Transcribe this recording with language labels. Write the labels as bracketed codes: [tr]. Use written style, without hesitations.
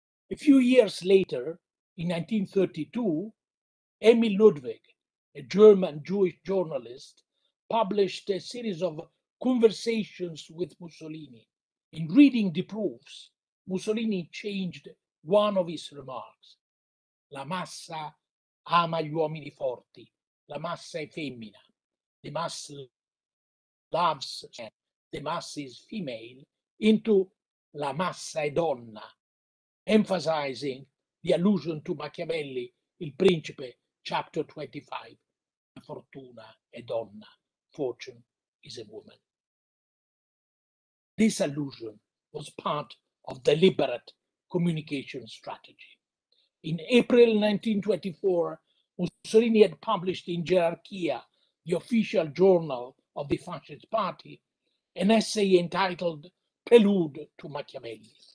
[en] A few years later, in 1932, Emil Ludwig, a German Jewish journalist, published a series of conversations with Mussolini. In reading the proofs, Mussolini changed one of his remarks. [it] La massa ama gli uomini forti, la massa è femmina. [en] The mass loves, the mass is female, into [it] la massa è donna, [en] emphasizing the allusion to Machiavelli, Il Principe, chapter 25. [it] La fortuna è donna, [en] fortune is a woman. This allusion was part of deliberate communication strategy. In April 1924, Mussolini had published in Gerarchia, the official journal of the Fascist Party, an essay entitled Prelude to Machiavelli.